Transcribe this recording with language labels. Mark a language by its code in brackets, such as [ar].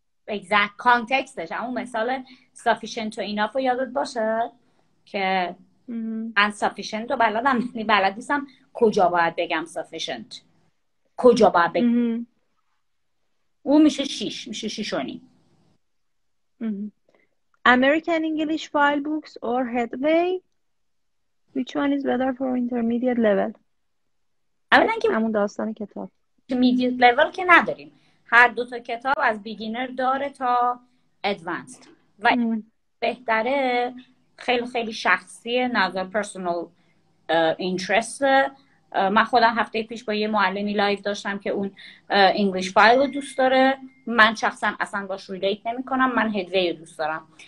[fa] exact کانتکستش، اون مثال sufficient و enough رو یادت باشه که unsufficient رو بلدم، یعنی بلد نیستم کجا باید بگم sufficient، کجا باید بگم. او میشه شیش، میشه شیش و نیم. [en] American English file books or headway, which one is better for intermediate level؟ [fa] اولا که همون داستان کتاب intermediate level که نداریم، هر دو تا کتاب از بیگینر داره تا ادوانسد و بهتره، خیلی خیلی شخصی نظر، پرسونال اینترست. من خودم هفته پیش با یه معلمی لایف داشتم که اون انگلیش فایل رو دوست داره، من شخصا اصلا باش ریلیت نمی کنم، من هدوی رو دوست دارم.